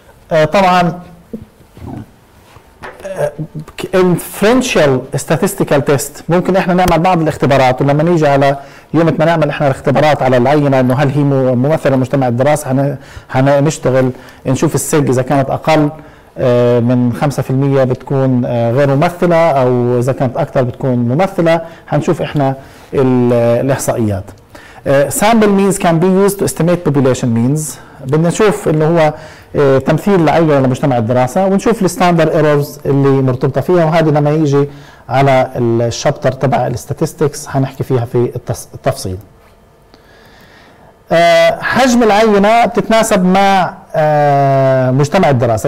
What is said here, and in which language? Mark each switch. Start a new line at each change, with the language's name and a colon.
Arabic: طبعا
English: inferential statistical test
Arabic: ممكن احنا نعمل بعض الاختبارات، ولما نيجي على يوم ما نعمل احنا الاختبارات على العينة انه هل هي ممثلة لمجتمع الدراسة هنشتغل نشوف السيج اذا كانت اقل من 5% بتكون غير ممثلة او اذا كانت اكتر بتكون ممثلة. هنشوف احنا الاحصائيات.
English: sample means can be used to estimate population means.
Arabic: بدنا نشوف انه هو تمثيل العينة لمجتمع الدراسة ونشوف الستاندر ايرورز اللي مرتبطة فيها، وهذه لما يجي على الشابتر تبع الستاتيستكس هنحكي فيها في التفصيل. حجم العينة بتتناسب مع مجتمع الدراسة.